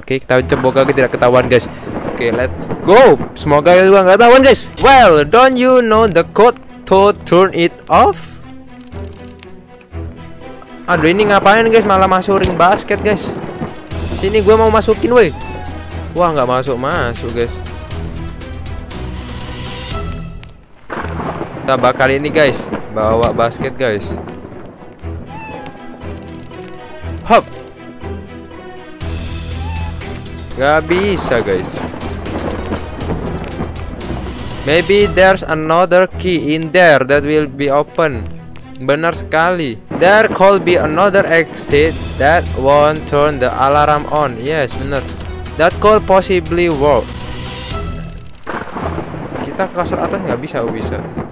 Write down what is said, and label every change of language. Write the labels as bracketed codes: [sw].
[id] Okay, kita semoga kita tidak ketahuan guys. [en] Okay, let's go. [id] Semoga kita tidak ketahuan guys. [en] Well, don't you know the code to turn it off? [id] Aduh, ini ngapain guys? Malah masuk ring basket guys. Sini gue mau masukin woi. Wah, nggak masuk-masuk guys. Kita bakal ini guys, bawa basket guys. Hop. Gak bisa guys. [en] Maybe there's another key in there that will be open. [id] Benar sekali. [en] There could be another exit that won't turn the alarm on. Yes, benar. That could possibly work. [id] Kita ke kasur atas nggak bisa, oh bisa.